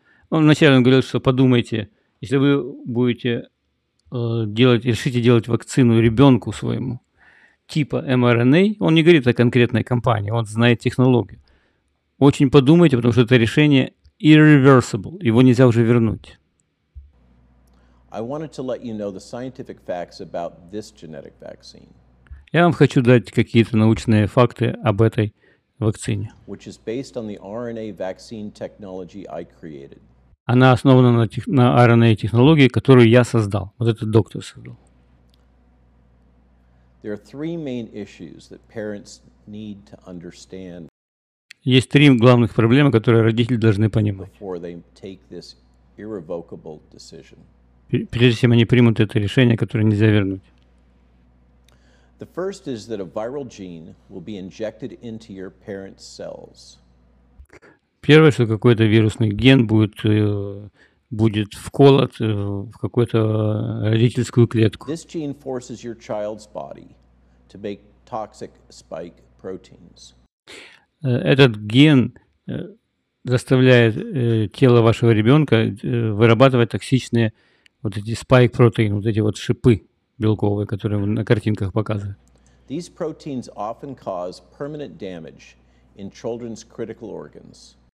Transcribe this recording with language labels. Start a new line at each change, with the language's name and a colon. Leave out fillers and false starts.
Russian: Он вначале говорил, что подумайте, если вы будете решите делать вакцину ребенку своему типа mRNA, он не говорит о конкретной компании, он знает технологию. Очень подумайте, потому что это решение irreversible, его нельзя уже вернуть. Я вам хочу дать какие-то научные факты об этой вакцине.
English: Which is based on the RNA vaccine technology I created.
Russian: Она основана на RNA-технологии, которую я создал. Вот этот доктор создал.
English: There are three main issues that parents need to understand.
Russian: Есть три главных проблемы, которые родители должны понимать.
English: Before they take this irrevocable decision.
Russian: Прежде чем они примут это решение, которое нельзя вернуть.
English: The first is that a viral gene will be injected into your parent's cells.
Russian: Первое, что какой-то вирусный ген будет вколот в какую-то родительскую клетку.
English: This gene forces your child's body to make toxic spike proteins.
Russian: Этот ген заставляет тело вашего ребенка вырабатывать токсичные вот эти
English: spike protein,
Russian: вот эти вот шипы белковые, которые на картинках показывают.
English: These proteins often cause permanent damage in children's critical organs.